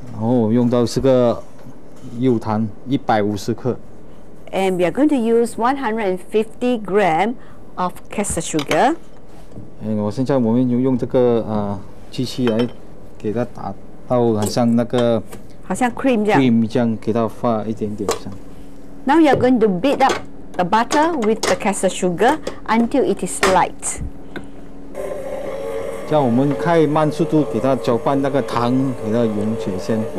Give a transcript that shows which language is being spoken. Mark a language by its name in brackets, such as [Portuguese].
[Chinese] 然后我用到这个幼糖150克。 [English] And we are going to use 150 gram of caster sugar. And [Chinese] 我现在我们用这个机器来给它打到好像那个好像 cream 这样，cream 这样给它发一点点。 [English] Now you are going to beat up the butter with the caster sugar until it is light. [Chinese] 这样我们开慢速度给它搅拌那个糖，给它溶解先。